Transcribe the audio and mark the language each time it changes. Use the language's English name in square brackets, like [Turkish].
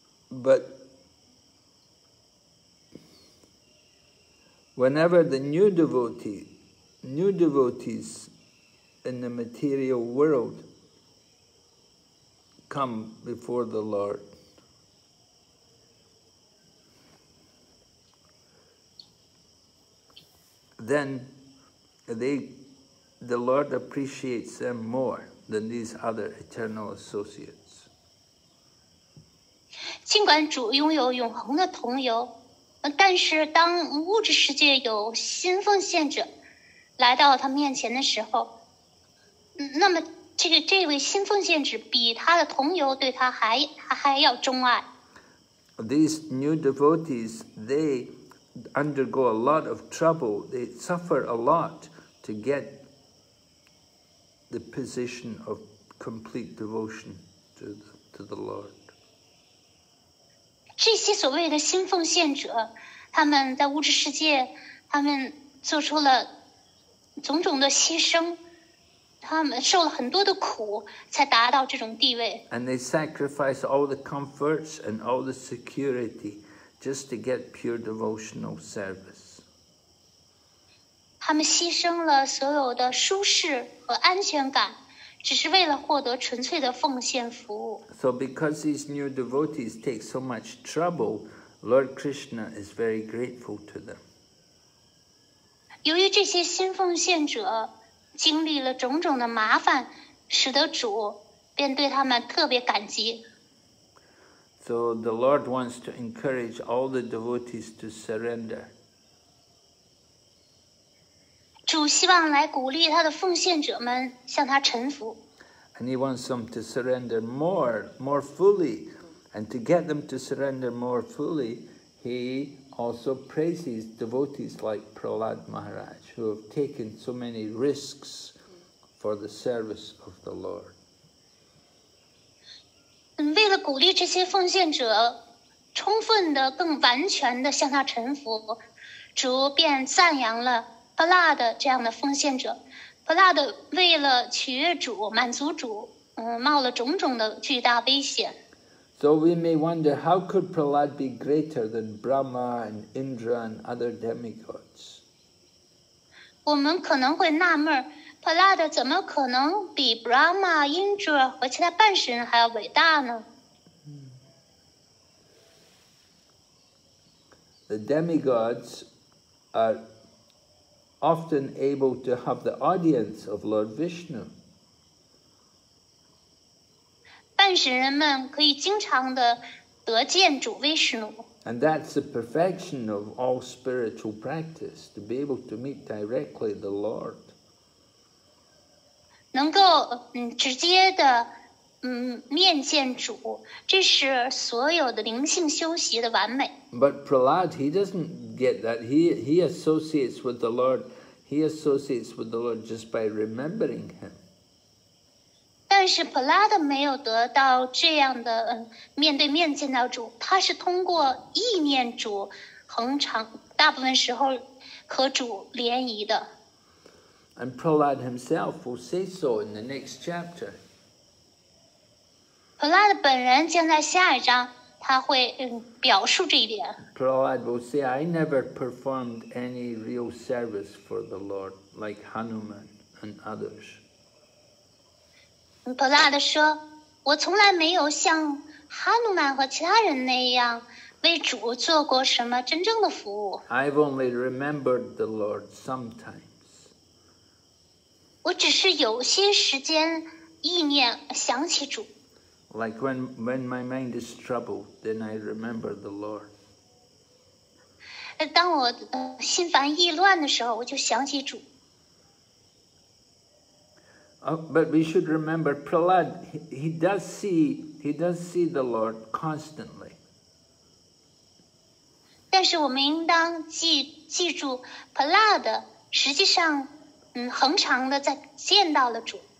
[English] But whenever the new devotees in the material world come before the Lord, then the Lord appreciates them more than these other eternal associates. [Chinese] 尽管主拥有永恒的同游，但是当物质世界有新奉献者来到他面前的时候，那么这位新奉献者比他的同游对他还要钟爱。 [English] These new devotees, they undergo a lot of trouble. They suffer a lot to get the position of complete devotion to the Lord. [Chinese] 这些所谓的新奉献者，他们在物质世界，他们做出了种种的牺牲，他们受了很多的苦才达到这种地位。 [English] And they sacrifice all the comforts and all the security just to get pure devotional service. [Chinese] 他们牺牲了所有的舒适和安全感，只是为了获得纯粹的奉献服务。 [English] So because these new devotees take so much trouble, Lord Krishna is very grateful to them. [Chinese] 由于这些新奉献者经历了种种的麻烦，使得主便对他们特别感激。 [English] So the Lord wants to encourage all the devotees to surrender. [Chinese] 主希望来鼓励他的奉献者们向他臣服。 [English] And he wants them to surrender more fully. And to get them to surrender more fully, he also praises devotees like Prahlad Maharaj, who have taken so many risks for the service of the Lord. [Chinese] 为了鼓励这些奉献者充分的、更完全的向他臣服，主便赞扬了 Prahlad 这样的奉献者。 Prahlad 为了取悦主、满足主，冒了种种的巨大危险。 [English] So we may wonder, how could Prahlad be greater than Brahma and Indra and other demigods? [Chinese] 我们可能会纳闷， Prahlad 怎么可能比 Brahma、Indra 和其他半神还要伟大呢？ [English] The demigods are often able to have the audience of Lord Vishnu. [Chinese] 半神人们可以经常的得见主威士努。 [English] And that's the perfection of all spiritual practice, to be able to meet directly the Lord. [Chinese] 能够直接的面见主，这是所有的灵性修习的完美。 [English] But Prahlad, he doesn't get that. He associates with the Lord. He associates with the Lord just by remembering him. [Chinese] 但是普拉德没有得到这样的面对面见到主，他是通过意念主恒常大部分时候和主联谊的。 [English] And Prahlad himself will say so in the next chapter. [Chinese] 普拉德本人将在下一章他会表述这一点。 [English] Prahlad will say, I never performed any real service for the Lord like Hanuman and others. [Chinese] 普拉德说，我从来没有像哈努曼和其他人那样为主做过什么真正的服务。 [English] I've only remembered the Lord sometimes. [Chinese] 我只是有些时间意念想起主。 [English] Like when my mind is troubled, then I remember the Lord. [Chinese] 当我心烦意乱的时候，我就想起主。 [English] But we should remember, Prahlad, he does see the Lord constantly. [Chinese] 但是我们应当记住 Prahlad 实际上恒常的在见到了主。